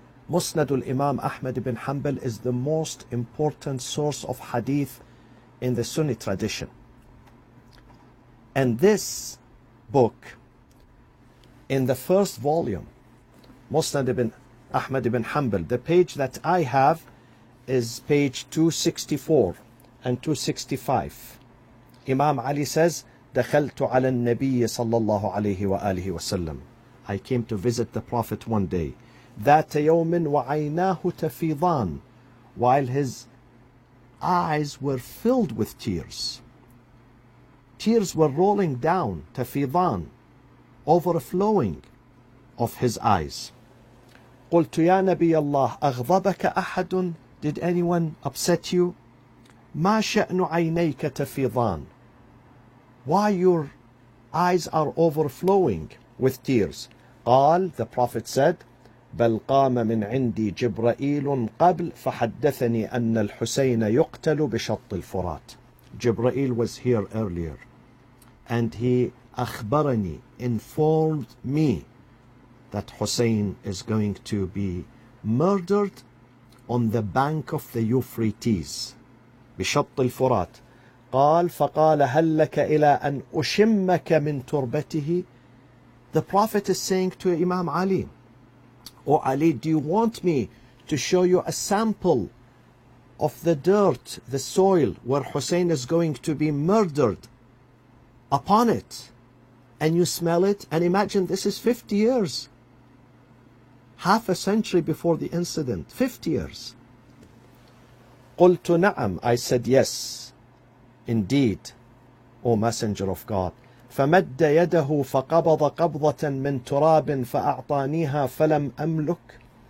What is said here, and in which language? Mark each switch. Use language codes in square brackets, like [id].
[en] Musnad al-Imam Ahmad ibn Hanbal is the most important source of hadith in the Sunni tradition. And this book, in the first volume, Musnad ibn Ahmad ibn Hanbal, the page that I have is page 264 and 265. Imam Ali says, [ar] دخلت على النبي صلى الله عليه وآله وسلم. [en] I came to visit the Prophet one day. [ar] ذات يوم وعيناه تفيضان. [en] While his eyes were filled with tears. Tears were rolling down. [ar] تفيضان. [en] Overflowing of his eyes. [ar] قلت يا نبي الله أغضبك أحد. [en] Did anyone upset you? [ar] ما شأن عينيك تفيضان. [en] Why your eyes are overflowing with tears? [ar] قال, [en] the Prophet said, [ar] بل قام من عندي جبرائيل قبل فحدثني أن الحسين يقتل بشط الفرات. [en] Jibreel was here earlier, and he [ar] أخبرني, [en] informed me, that Hussein is going to be murdered on the bank of the Euphrates, [ar] بشط الفرات. قال فقال هل لك إلى أن أشمك من تربته. [en] The Prophet is saying to Imam Ali, "O Ali, do you want me to show you a sample of the dirt, the soil where Hussein is going to be murdered upon it, and you smell it?" And imagine, this is 50 years, half a century before the incident, 50 years. [ar] قلت نعم, [en] I said yes. Indeed, O Messenger of God. [ar] فمد يده فقبض قبضة من تراب فأعطانيها فلم أملك.